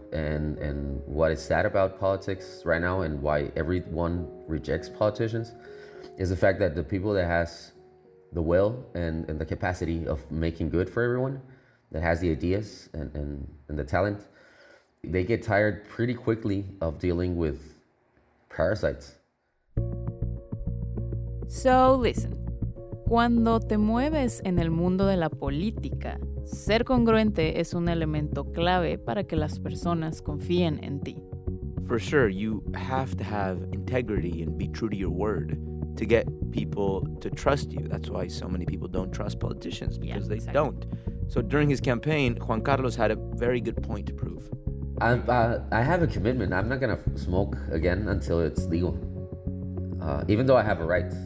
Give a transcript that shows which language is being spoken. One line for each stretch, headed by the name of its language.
English: And what is sad about politics right now and why everyone rejects politicians is the fact that the people that has the will and the capacity of making good for everyone, that has the ideas and the talent, they get tired pretty quickly of dealing with parasites. So listen,
Spanish: cuando te mueves en el mundo de la política, ser congruente es un elemento clave para que las personas confíen en ti.
English: For sure, you have to have integrity and be true to your word to get people to trust you. That's why so many people don't trust politicians, because yeah, exactly. They don't. So during his campaign, Juan Carlos had a very good point to prove. I have a commitment. I'm not going to smoke again until it's legal. Even though I have a right.